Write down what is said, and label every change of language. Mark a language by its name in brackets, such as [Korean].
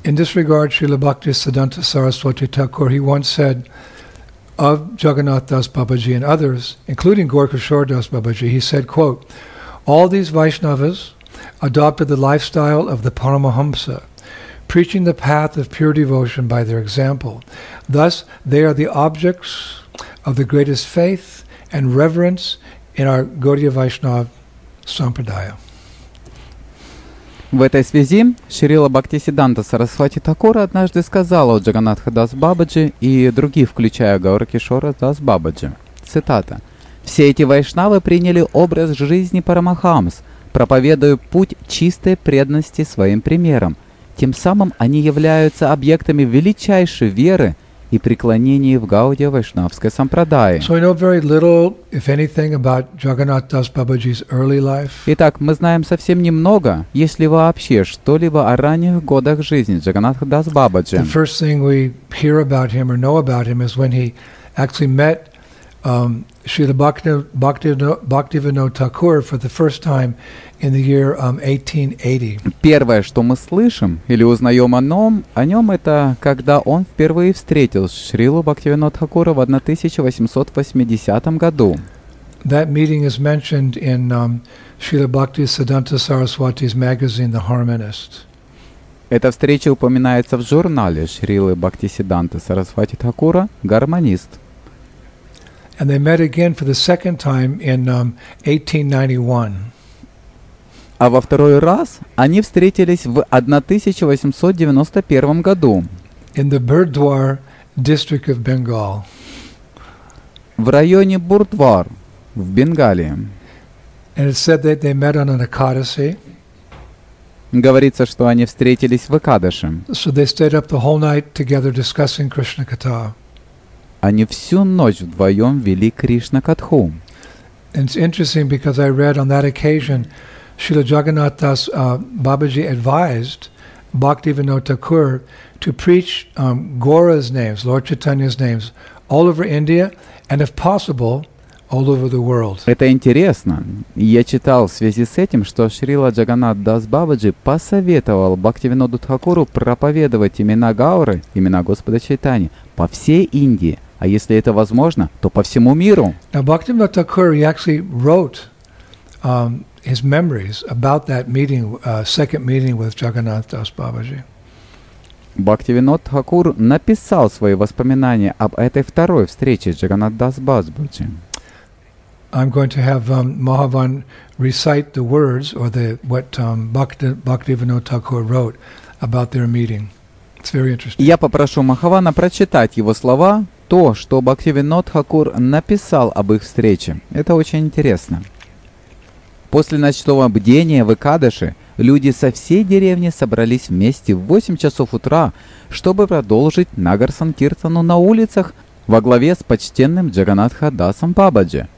[English] In this regard, Srila Bhakti Siddhanta Saraswati Thakur, he once said, of Jagannath Das Babaji and others, including Gaurakishore Das Babaji, he said, quote, all these Vaishnavas adopted the lifestyle of the Paramahamsa, preaching the path of pure devotion by their example. Thus, they are the objects of the greatest faith and reverence in our Gaudiya Vaishnava Sampradaya. [Russian] В этой связи Шрила Бхактисиддханта Сарасвати Такура однажды сказала о Джаганнатхе Дас Бабаджи и других, включая Гаурикишора Дас Бабаджи. Цитата. «Все эти вайшнавы приняли образ жизни Парамахамс, проповедуя путь чистой преданности своим примером. Тем самым они являются объектами величайшей веры и преклонения в Гаудия Вайшнавской Сампрадайи». [English] So we know very little, if anything, about Jagannath Das Babaji's early life. [Russian] Итак, мы знаем совсем немного, если вообще что-либо о ранних годах жизни Джаганнатха Дас Бабаджи. [English] The first thing we hear about him or know about him is when he actually met Srila Bhaktivinoda Thakur for the first time in the year 1880. [Russian] Первое, что мы слышим или узнаем о нем, это когда он впервые встретил Шрилу Бхактивинода Такура в 1880 году. [English] That meeting is mentioned in Srila Bhakti Siddhanta Saraswati's magazine, The Harmonist. [Russian] Эта встреча упоминается в журнале Шрилы Бхактисиддханты Сарасвати Такура «Гармонист». [English] And they met again for the second time in 1891. [Russian] А во второй раз они встретились в 1891 году. [English] In the Burdwar district of Bengal. [Russian] В районе Бурдвар в Бенгалии. [English] And it said that they met on an Ekadasi. [Russian] Говорится, что они встретились в Экадаше. [English] So they stayed up the whole night together discussing Krishna Katha. [Russian] Они всю ночь вдвоем вели Кришна Катху. [English] It's interesting because I read on that occasion Srila Jagannath Das Babaji advised Bhaktivinoda Thakur to preach Gaura's names, Lord Chaitanya's names, all over India and, if possible, all over the world. [Russian] Это интересно. Я читал в связи с этим, что Шрила Джаганнат Дас Бабаджи посоветовал Бхактивиноду Тхакуру проповедовать имена Гауры, имена Господа Чайтани, по всей Индии, а если это возможно, то по всему миру. [English] Now, Bhaktivinoda Thakur, he actually wrote his memories about that meeting, second meeting with Jagannath Das Babaji. [Russian] Бхактивинод Хакур написал свои воспоминания об этой второй встрече с Джаганнат Дас Бабаджи. [English] I'm going to have Mahavan recite the words or the what Bhaktivinoda Thakur wrote about their meeting. It's very interesting. [Russian] Я попрошу Махавана прочитать его слова, то, что Бхактивинод Хакур написал об их встрече. Это очень интересно. После ночного бдения в Экадаше люди со всей деревни собрались вместе в 8 часов утра, чтобы продолжить Нагар Санкиртану на улицах во главе с почтенным Джаганнатха Дасом Бабаджи.